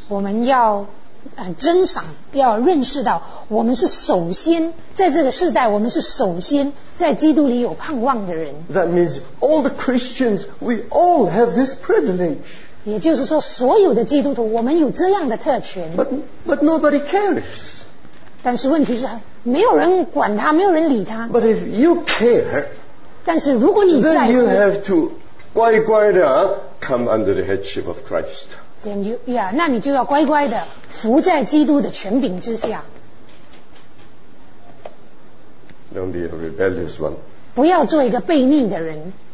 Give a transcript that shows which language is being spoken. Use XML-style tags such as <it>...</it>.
<zh>我们要珍赏,要认识到,我们是首先,在这个世代,我们是首先在基督里有盼望的人。</zh> <en>That means all the Christians, we all have this privilege.</en> <zh>也就是说,所有的基督徒,我们有这样的特权。</zh> <en>But nobody cares.</en> <zh>但是问题是,没有人管他,没有人理他。</zh> <en>But if you care,</en> <zh>但是如果你在乎,</zh> <en>then you have to</en> <zh>乖乖地</zh> <en>come under the headship of Christ. Then you, yeah,</en> <zh>那你就要乖乖地 服在基督的权柄之下。</zh> <en>Don't be a rebellious one.</en> <zh>不要做一个悖逆的人。</zh>